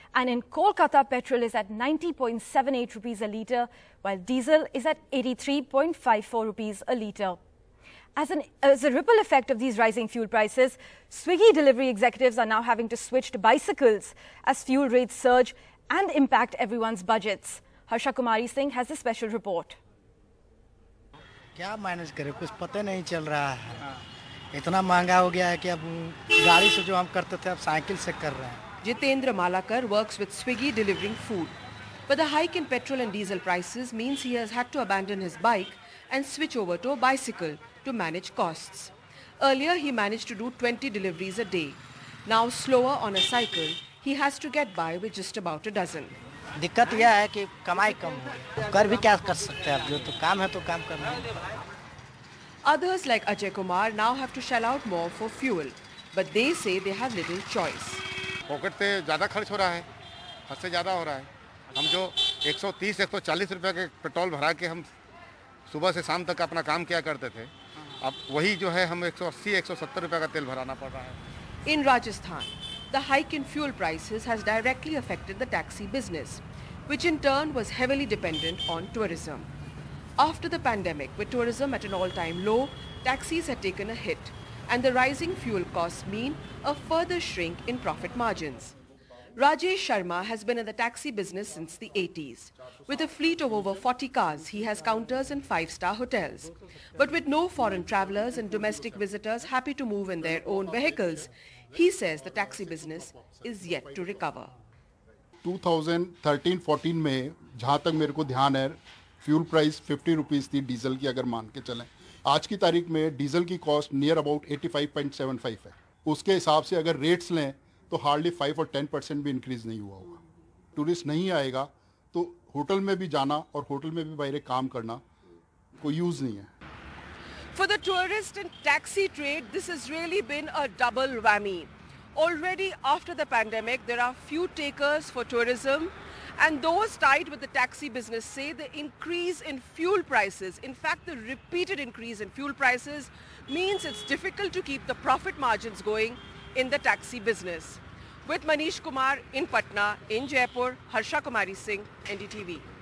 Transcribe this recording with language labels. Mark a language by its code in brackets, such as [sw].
[en] And in Kolkata, petrol is at 90.78 rupees a litre, while diesel is at 83.54 rupees a litre. As a ripple effect of these rising fuel prices, Swiggy delivery executives are now having to switch to bicycles as fuel rates surge and impact everyone's budgets. Harsha Kumari Singh has a special report. [hi] क्या manage करें कुछ पता नहीं चल रहा है इतना महंगा हो गया है कि अब गाड़ी से जो हम करते थे अब साइकिल से कर रहे हैं [en] Jitendra Malakar works with Swiggy delivering food. But the hike in petrol and diesel prices means he has had to abandon his bike and switch over to a bicycle to manage costs. Earlier, he managed to do 20 deliveries a day. Now, slower on a cycle, he has to get by with just about a dozen. [hi] दिक्कत यह है कि कमाई कम है। कर भी क्या कर सकते हैं अब जो तो काम है तो काम करना। [en] Others like Ajay Kumar now have to shell out more for fuel, but they say they have little choice. [hi] Pocket पे ज़्यादा खर्च हो रहा है, हद से ज़्यादा हो रहा है। हम जो 130-140 रुपए के पेट्रोल भरा के हम सुबह से शाम तक अपना काम किया करते थे अब वही जो है हम 180-170 रुपए का तेल भराना पड़ रहा है [en] In Rajasthan the hike in fuel prices has directly affected the taxi business which in turn was heavily dependent on tourism after the pandemic with tourism at an all time low taxis have taken a hit and the rising fuel cost mean a further shrink in profit margins Rajesh Sharma has been in the taxi business since the 80s. With a fleet of over 40 cars, he has counters in 5-star hotels. But with no foreign travelers and domestic visitors happy to move in their own vehicles, he says the taxi business is yet to recover. [hi] 2013-14 mein jahan tak mere ko dhyan hai fuel price 50 rupees thi diesel ki agar maan ke chalein aaj ki tarikh mein diesel ki cost near about 85.75 hai uske hisab se agar rates le तो hardly 5-10% भी increase नहीं हुआ होगा tourist नहीं आएगा तो hotel में भी जाना और होटल में भी बाहर काम करना कोई यूज नहीं है [en] For the tourist and taxi trade this is really been a double whammy already after the pandemic there are few takers for tourism And those tied with the taxi business say the increase in fuel prices, in fact the repeated increase in fuel prices, means it's difficult to keep the profit margins going in the taxi business. With Manish Kumar in Patna, in Jaipur, Harsha Kumari Singh, NDTV.